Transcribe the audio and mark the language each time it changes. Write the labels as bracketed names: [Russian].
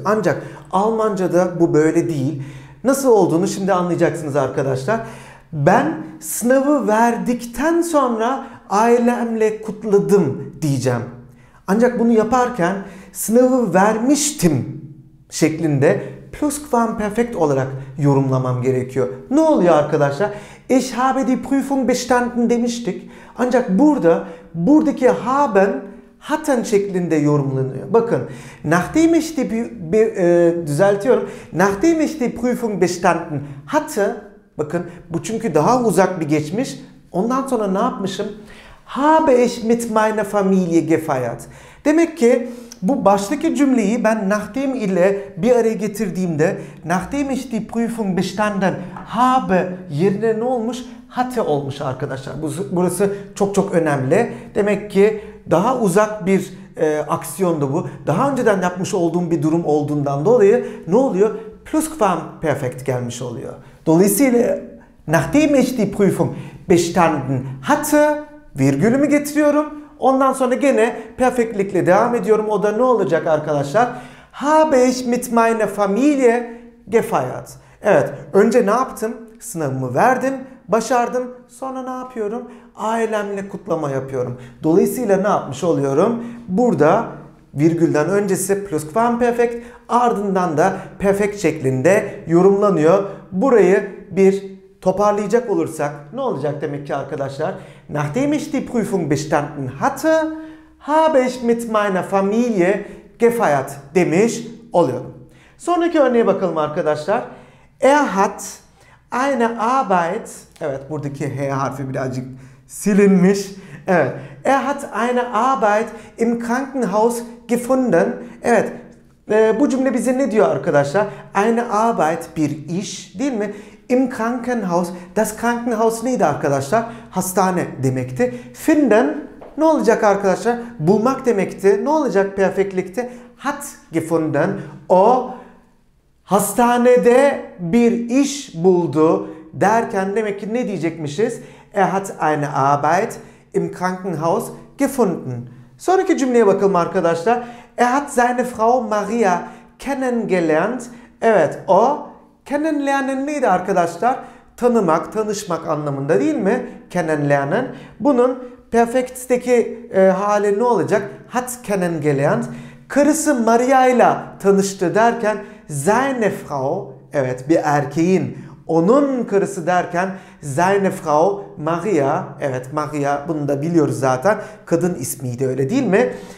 [Turkish] Ancak Almanca'da bu böyle değil. Nasıl olduğunu şimdi anlayacaksınız arkadaşlar. Ben sınavı verdikten sonra ailemle kutladım diyeceğim. Ancak bunu yaparken sınavı vermiştim şeklinde pluskvamperfekt olarak yorumlamam gerekiyor. Ne oluyor arkadaşlar? [German] Ich habe die Prüfung bestanden [Turkish] demiştik. Ancak burada, buradaki haben hatten şeklinde yorumlanıyor. [German] Bakın, nachdem ich die [Turkish] düzeltiyorum. [German] Nachdem ich die Prüfung bestanden hatte, [Turkish] bakın bu çünkü daha uzak bir geçmiş. Ondan sonra ne yapmışım? [German] Habe ich mit meiner Familie gefeiert. [Turkish] Demek ki bu baştaki cümleyi ben nachdem ile bir araya getirdiğimde [German] nachdem ich die Prüfung bestanden habe [Turkish] yerine ne olmuş? Hatte olmuş arkadaşlar. Burası çok çok önemli. Demek ki daha uzak bir aksiyondu bu. Daha önceden yapmış olduğum bir durum olduğundan dolayı ne oluyor? Pluskvamperfekt gelmiş oluyor. Dolayısıyla [German] nachdem ich die Prüfung bestanden hatte, [Turkish] virgülümü getiriyorum. Ondan sonra gene perfektlikle devam ediyorum. O da ne olacak arkadaşlar? [German] Habe ich mit meiner Familie gefeiert. [Turkish] Evet, önce ne yaptım? Sınavımı verdim, başardım. Sonra ne yapıyorum? Ailemle kutlama yapıyorum. Dolayısıyla ne yapmış oluyorum? Burada virgülden öncesi pluskvamperfekt, ardından da perfekt şeklinde yorumlanıyor. Burayı bir toparlayacak olursak ne olacak demek ki arkadaşlar? [German] Nachdem ich die Prüfung bestanden hatte, habe ich mit meiner Familie gefeiert [Turkish] demiş oluyor. Sonraki örneğe bakalım arkadaşlar. [German] Er hat eine Arbeit, [Turkish] evet buradaki H harfi birazcık silinmiş. Evet. [German] Er hat eine Arbeit im Krankenhaus gefunden. [Turkish] Evet. Bu cümle bize ne diyor arkadaşlar? [German] Eine Arbeit, [Turkish] bir iş, değil mi? [German] Im Krankenhaus, das Krankenhaus [Turkish] neydi arkadaşlar? Hastane demekti. Finden ne olacak arkadaşlar? Bulmak demekti. Ne olacak perfektlikte? [German] Hat gefunden, [Turkish] o hastanede bir iş buldu derken demek ki ne diyecekmişiz? [German] Er hat eine Arbeit im Krankenhaus gefunden. [Turkish] Sonraki cümleye bakalım arkadaşlar. [German] Er hat seine Frau Maria kennengelernt. [Turkish] Evet, o kennenlernen neydi arkadaşlar? Tanımak, tanışmak anlamında değil mi? Kennenlernen. Bunun perfektteki hali ne olacak? [German] Hat kennengelernt. [Turkish] Karısı Maria ile tanıştı derken seine Frau, evet bir erkeğin, onun karısı derken [German] seine Frau Maria, [Turkish] evet Maria bunu da biliyoruz zaten. Kadın ismiydi, öyle değil mi?